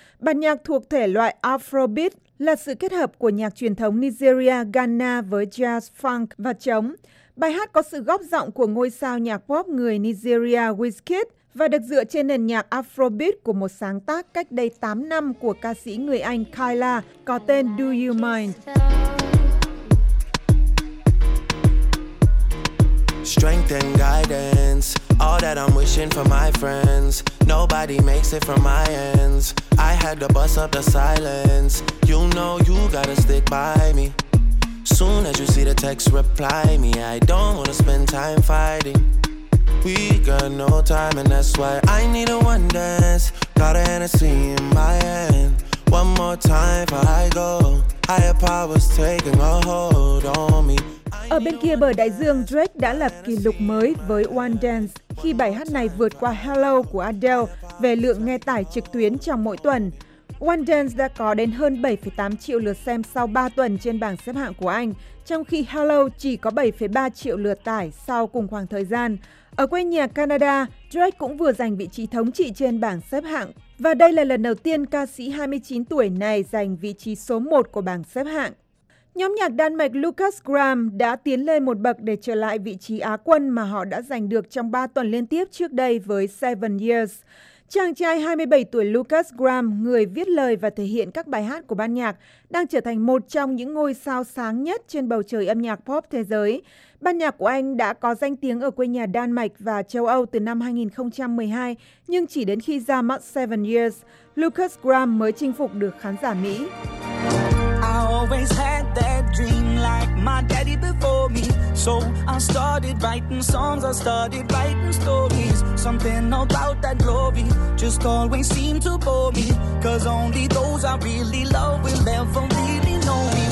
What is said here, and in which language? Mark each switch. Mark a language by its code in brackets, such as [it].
[vi] Bản nhạc thuộc thể loại Afrobeat là sự kết hợp của nhạc truyền thống Nigeria, Ghana với jazz, funk và trống. Bài hát có sự góp giọng của ngôi sao nhạc pop người Nigeria Wizkid và được dựa trên nền nhạc Afrobeat của một sáng tác cách đây 8 năm của ca sĩ người Anh Kyla có tên Do You Mind. [en] Strength and guidance, all that I'm wishing for my friends. Nobody makes it from my ends. I had to bust up the silence. You know you gotta stick by me. Soon as you see the text, reply me. I don't wanna spend time fighting. We got no time, and that's why I need a one dance. Got a Hennessy in my hand. One more time before I go. Higher powers taking a hold on me. [vi] Ở bên kia bờ đại dương, Drake đã lập kỷ lục mới với One Dance khi bài hát này vượt qua Hello của Adele về lượng nghe tải trực tuyến trong mỗi tuần. One Dance đã có đến hơn 7,8 triệu lượt xem sau 3 tuần trên bảng xếp hạng của Anh, trong khi Hello chỉ có 7,3 triệu lượt tải sau cùng khoảng thời gian. Ở quê nhà Canada, Drake cũng vừa giành vị trí thống trị trên bảng xếp hạng. Và đây là lần đầu tiên ca sĩ 29 tuổi này giành vị trí số 1 của bảng xếp hạng. Nhóm nhạc Đan Mạch Lucas Graham đã tiến lên một bậc để trở lại vị trí Á quân mà họ đã giành được trong 3 tuần liên tiếp trước đây với Seven Years. Chàng trai 27 tuổi Lucas Graham, người viết lời và thể hiện các bài hát của ban nhạc, đang trở thành một trong những ngôi sao sáng nhất trên bầu trời âm nhạc pop thế giới. Ban nhạc của anh đã có danh tiếng ở quê nhà Đan Mạch và châu Âu từ năm 2012, nhưng chỉ đến khi ra mắt Seven Years, Lucas Graham mới chinh phục được khán giả Mỹ. [en] Always had that dream like my daddy before me. So I started writing songs, I started writing stories. Something about that glory just always seemed to bore me. Cause only those I really love will ever really know me.